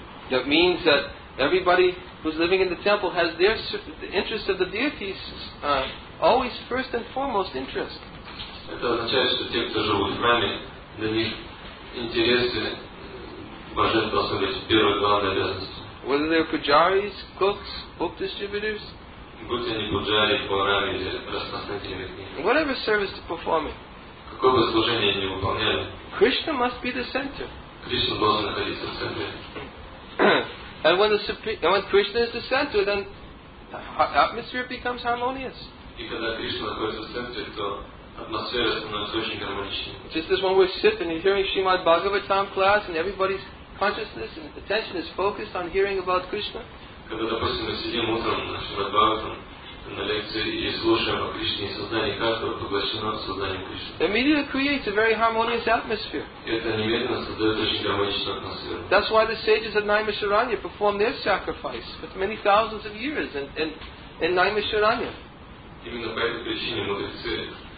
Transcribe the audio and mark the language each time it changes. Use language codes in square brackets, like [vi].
[en] That means that everybody who's living in the temple has their interest of the deities always first and foremost interest. [ru] Это означает, что те, кто живут в храме, для них интересы божества служат первой главной обязанностью. [en] Whether they're pujaris, cooks, book distributors, [ru] будь они пуджари, поварами или распространителями, [en] whatever service they're performing, [ru] какое бы служение они выполняли, [en] Krishna must be the center. [ru] Кришна должен находиться в центре. [en] And when when Krishna is the center, then the atmosphere becomes harmonious. [ru] И когда Кришна находится в центре, то атмосфера становится очень гармоничной. [en] Just as when we're sitting and hearing Srimad Bhagavatam class and everybody's consciousness and attention is focused on hearing about Krishna. [ru] Когда, допустим, мы сидим утром на Шримад Бхагаватам на лекции и слушаем о Кришне, сознание каждого поглощено сознанием Кришны. [en] Immediately creates a very harmonious atmosphere. [ru] Это немедленно создает очень гармоничную атмосферу. [en] That's why the sages at Naimisharanya perform their sacrifice for many thousands of years in Naimisharanya. [ru] Именно по этой причине мудрецы